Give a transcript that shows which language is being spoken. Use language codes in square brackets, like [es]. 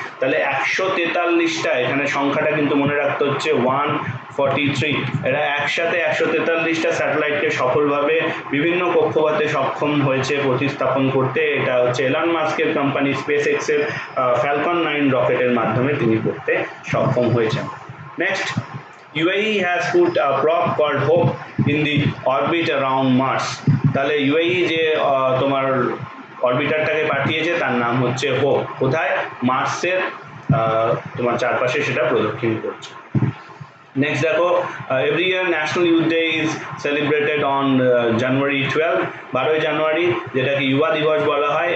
[bn] তাহলে 143টা, এখানে সংখ্যাটা কিন্তু মনে রাখতে হচ্ছে 143, এরা একসাথে 143টা স্যাটেলাইটকে সফলভাবে বিভিন্ন কক্ষপথে সক্ষম হয়েছে প্রতিস্থাপন করতে। এটা হচ্ছে এলন মাস্কের কোম্পানি স্পেস এক্সের ফ্যালকন 9 রকেটের মাধ্যমে তিনি করতে সক্ষম হয়েছেন। [en] Next, UAE has put a probe called Hope in the orbit around Mars. [bn] তাহলে UAE যে তোমার অরবিটারটাকে পাঠিয়েছে তার নাম হচ্ছে হোপ, কোথায়, মার্সের তোমার চারপাশে সেটা প্রদক্ষিণ করছে। [en] next দেখো, every year national youth day is celebrated on January 12, 12ই জানুয়ারি, [bn] যেটাকে ইউভা দিবস বলা হয়।